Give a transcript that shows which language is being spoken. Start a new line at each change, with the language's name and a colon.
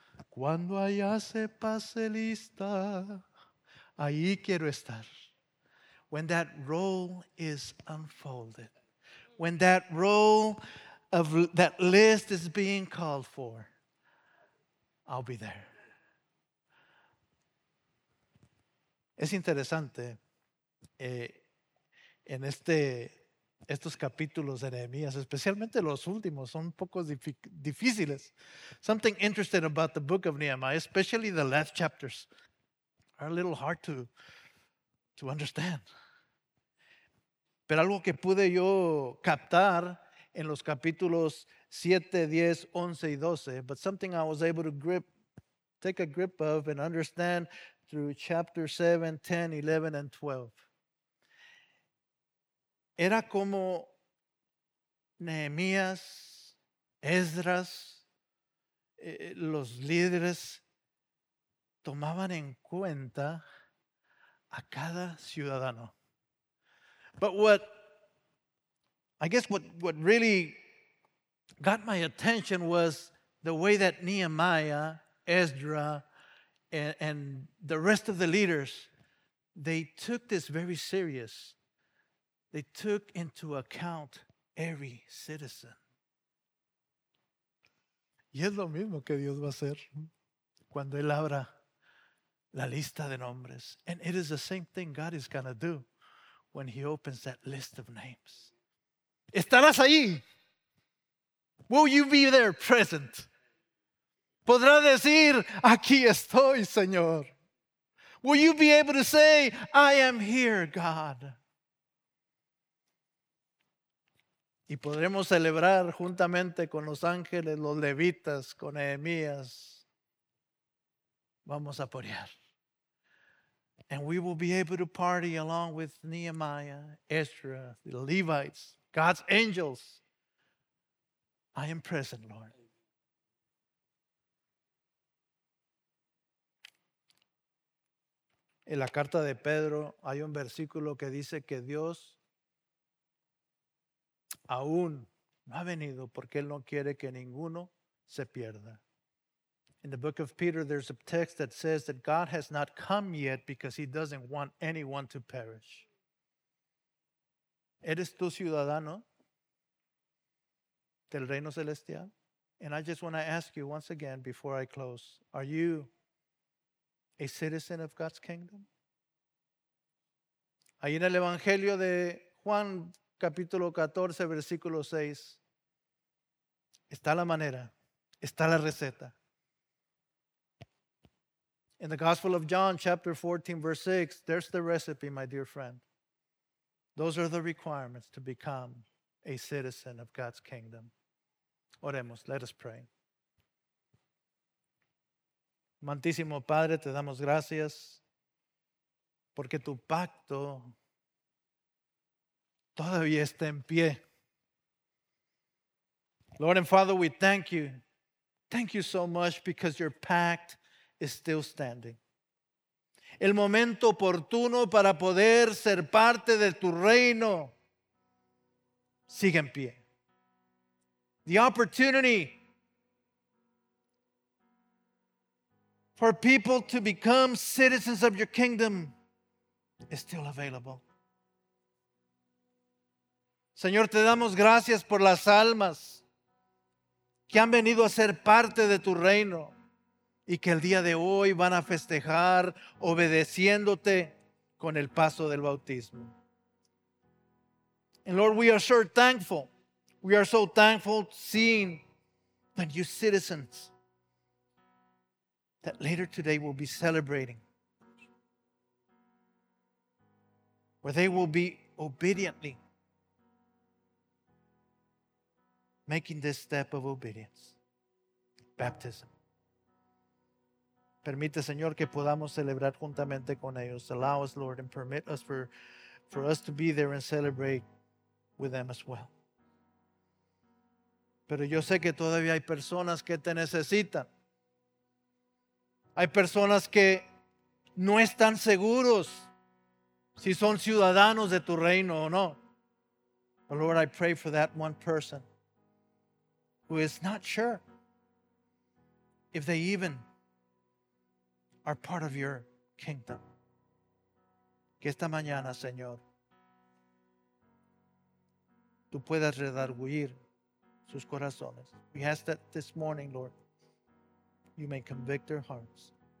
Spanish: Cuando allá se pase lista, ahí quiero estar.
English: When that role is unfolded, when that role of that list is being called for, I'll be there.
Spanish: Es interesante, en estos capítulos de Nehemías, especialmente los últimos, son un poco difíciles.
English: Something interesting about the book of Nehemiah, especially the last chapters, are a little hard to understand.
Spanish: Pero algo que pude yo captar en los capítulos 7, 10, 11 y 12,
English: but something I was able to take a grip of and understand through chapter 7, 10, 11, and 12.
Spanish: Era como Nehemías, Esdras, los líderes tomaban en cuenta a cada ciudadano.
English: But what really got my attention was the way that Nehemiah, Ezra, and the rest of the leaders, they took this very serious. They took into account every citizen.
Spanish: Y es lo mismo que Dios va a hacer cuando Él abra la lista de nombres.
English: And it is the same thing God is going to do when he opens that list of names.
Spanish: ¿Estarás ahí?
English: Will you be there present?
Spanish: ¿Podrá decir, aquí estoy, Señor?
English: Will you be able to say, I am here, God?
Spanish: ¿Y podremos celebrar juntamente con los ángeles, los levitas, con Nehemías? Vamos a porear.
English: And we will be able to party along with Nehemiah, Ezra, the Levites, God's angels. I am present, Lord.
Spanish: En la carta de Pedro hay un versículo que dice que Dios aún no ha venido porque Él no quiere que ninguno se pierda.
English: In the book of Peter, there's a text that says that God has not come yet because he doesn't want anyone to perish.
Spanish: ¿Eres tú ciudadano del reino celestial?
English: And I just want to ask you once again before I close, are you a citizen of God's kingdom?
Spanish: Ahí en el Evangelio de Juan, capítulo 14, versículo 6, está la manera, está la receta.
English: In the Gospel of John, chapter 14, verse 6, there's the recipe, my dear friend. Those are the requirements to become a citizen of God's kingdom.
Spanish: Oremos.
English: Let us pray.
Spanish: Amantísimo Padre, te damos gracias porque tu pacto todavía está en pie.
English: Lord and Father, we thank you. Thank you so much because your pact is still standing.
Spanish: El momento oportuno para poder ser parte de tu reino sigue en pie.
English: The opportunity for people to become citizens of your kingdom is still available.
Spanish: Señor, te damos gracias por las almas que han venido a ser parte de tu reino y que el día de hoy van a festejar obedeciéndote con el paso del bautismo.
English: And Lord, we are so thankful. We are so thankful seeing the new citizens that later today will be celebrating, where they will be obediently making this step of obedience, baptism.
Spanish: Permite, Señor, que podamos celebrar juntamente con ellos.
English: Allow us, Lord, and permit us for us to be there and celebrate with them as well.
Spanish: Pero yo sé que todavía hay personas que te necesitan. Hay personas que no están seguros si son ciudadanos de tu reino o no.
English: But Lord, I pray for that one person who is not sure if they even are part of your kingdom.
Spanish: Que esta mañana, Señor, tú puedas redarguir sus corazones.
English: We ask that this morning, Lord, you may convict their hearts.